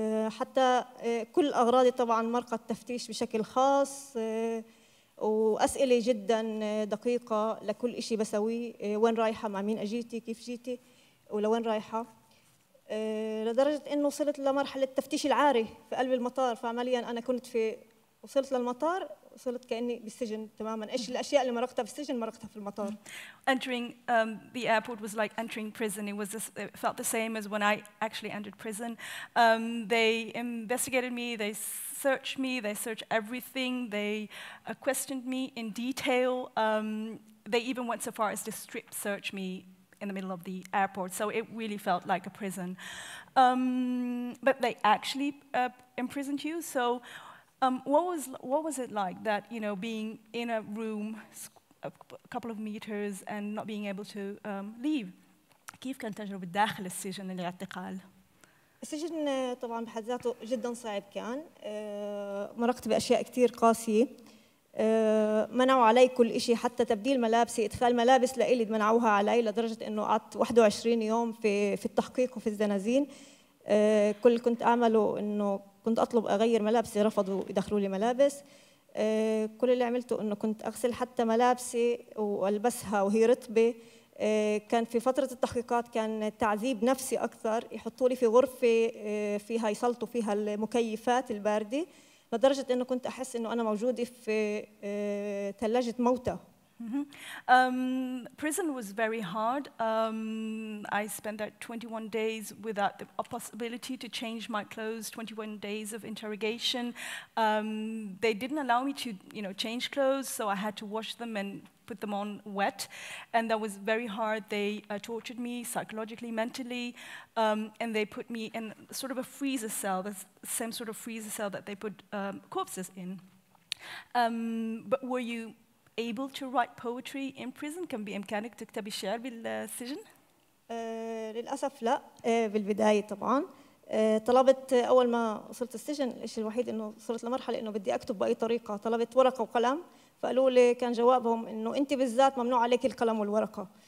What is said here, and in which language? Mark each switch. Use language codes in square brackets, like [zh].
[ar] حتى كل أغراضي طبعا مرقة تفتيش بشكل خاص، وأسئلة جدا دقيقة لكل إشي بسويه، وين رايحة، مع مين أجيتي، كيف جيتي، ولوين رايحة، لدرجة إنه وصلت لمرحلة التفتيش العاري في قلب المطار. فعمليا أنا كنت في، وصلت للمطار وصلت كأني بالسجن تماما. إيش الأشياء اللي مرقتها في السجن مرقتها في المطار. [en] Entering the airport was like entering prison. It was this, it felt the same as when I actually entered prison. They investigated me, they searched me, they searched everything, they questioned me in detail. They even went so far as to strip search me in the middle of the airport. So it really felt like a prison. But they actually imprisoned you. So what was it like that, you know, being in a room a couple of meters and not being able to leave? [ar] كيف كانت تجربة داخل السجن الاعتقال؟ السجن طبعا بحد ذاته جدا صعب كان. مرقت باشياء كثير قاسيه. منعوا علي كل شيء، حتى تبديل ملابسي، ادخال ملابس لإلي منعوها علي، لدرجه انه قعدت 21 يوم في التحقيق وفي الزنازين. كل كنت اعمله انه كنت اطلب اغير ملابسي، رفضوا يدخلوا لي ملابس. كل اللي عملته انه كنت اغسل حتى ملابسي والبسها وهي رطبه. كان في فترة التحقيقات كان تعذيب نفسي أكثر، يحطوا لي في غرفة فيها يسلطوا فيها المكيفات الباردة، لدرجة أنه كنت أحس أنه أنا موجودة في ثلاجة موتى. [en] Prison was very hard. I spent that 21 days without the possibility to change my clothes. 21 days of interrogation. They didn't allow me to, you know, change clothes, so I had to wash them and put them on wet, and that was very hard. They tortured me psychologically, mentally, and they put me in sort of a freezer cell, the same sort of freezer cell that they put corpses in. But were you able to write poetry in prison? [ar] كان بإمكانك تكتبي شعر بالسجن؟ للأسف لا. بالبداية طبعاً طلبت، أول ما وصلت السجن الشيء الوحيد إنه وصلت لمرحلة إنه بدي أكتب بأي طريقة، طلبت ورقة وقلم، فقالوا لي، كان جوابهم إنه أنت بالذات ممنوع عليك القلم والورقة.